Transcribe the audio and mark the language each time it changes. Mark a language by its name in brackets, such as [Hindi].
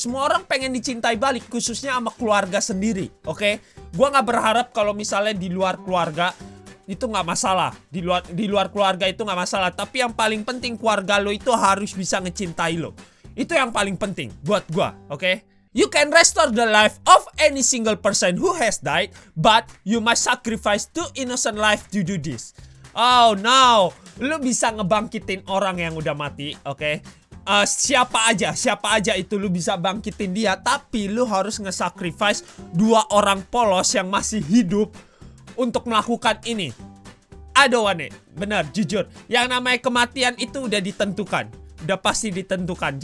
[Indonesian] Semua orang pengen dicintai balik. Khususnya sama keluarga sendiri. Oke okay? Gue gak berharap kalau misalnya di luar keluarga itu nggak masalah, di luar keluarga itu nggak masalah, tapi yang paling penting keluarga lo itu harus bisa ngecintai lo. Itu yang paling penting buat gua, oke? [English] You can restore the life of any single person who has died, but you must sacrifice two innocent life to do this. [Indonesian] Oh no, lo bisa ngebangkitin orang yang udah mati, oke? Siapa aja itu lu bisa bangkitin dia, tapi lu harus nge-sacrifice dua orang polos yang masih hidup untuk melakukan ini. Aduh Wane, benar, jujur, yang namanya kematian itu udah ditentukan, udah pasti ditentukan.